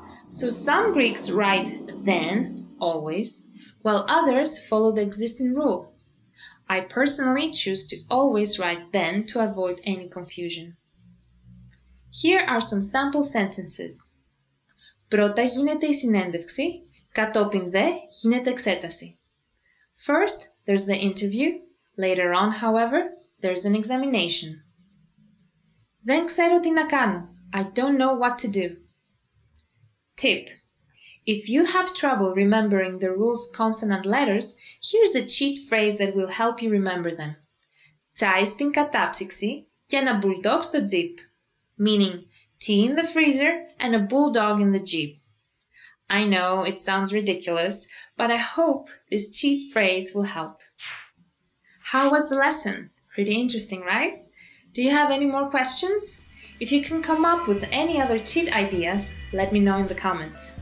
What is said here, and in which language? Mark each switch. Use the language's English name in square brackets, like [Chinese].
[English] So some Greeks write then, always, while others follow the existing rule. I personally choose to always write then to avoid any confusion. Here are some sample sentences. [Greek] Πρώτα γίνεται η συνέντευξη, κατόπιν δε γίνεται εξέταση. [English] First, there's the interview. Later on, however, there's an examination. [Greek] Δεν ξέρω τι να κάνω. [English] I don't know what to do. Tip. If you have trouble remembering the rule's consonant letters, here's a cheat phrase that will help you remember them. [Greek] Τσάι στην κατάψυξη και ένα μπουλντόγ στο τζιπ. [English] Meaning, tea in the freezer and a bulldog in the jeep. I know it sounds ridiculous, but I hope this cheap phrase will help. How was the lesson? Pretty interesting, right? Do you have any more questions? If you can come up with any other cheat ideas, let me know in the comments.